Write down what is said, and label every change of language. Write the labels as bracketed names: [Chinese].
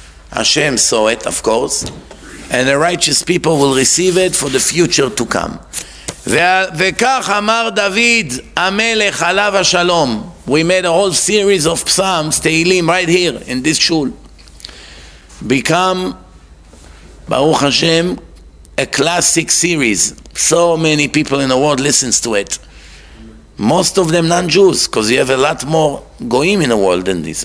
[English] Hashem saw it, of course, and the righteous people will receive it for the future to come. [Hebrew] וכך אמר דוד, המלך עליו השלום. [English] We made a whole series of psalms, תהילים, right here, in this shul. Become, [Hebrew] ברוך השם, [English] a classic series. So many people in the world listens to it. Most of them non-Jews, because you have a lot more goyim in the world than this.